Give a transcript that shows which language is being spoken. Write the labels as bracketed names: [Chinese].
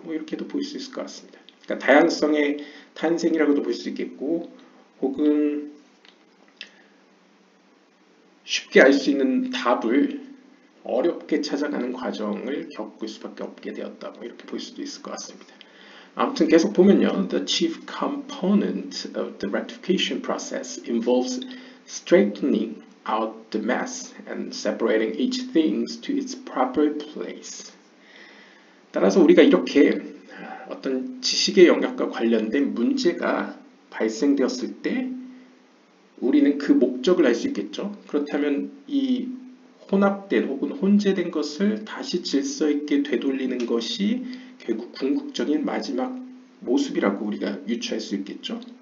[Korean] 뭐 이렇게도 볼수 있을 것 같습니다. 그러니까 다양성의 탄생이라고도 볼수 있겠고, 혹은 쉽게 알수 있는 답을 어렵게 찾아가는 과정을 겪을 수밖에 없게 되었다고 이렇게 볼 수도 있을 것 같습니다. 아무튼 계속 보면요, [English] The chief component of the rectification process involves straightening out the mess and separating each thing to its proper place. [Korean] 따라서 우리가 이렇게 어떤 지식의 영역과 관련된 문제가 발생되었을 때 우리는 그 목적을 알수 있겠죠. 그렇다면 이 혼합된 혹은 혼재된 것을 다시 질서 있게 되돌리는 것이 결국 궁극적인 마지막 모습이라고 우리가 유추할 수 있겠죠.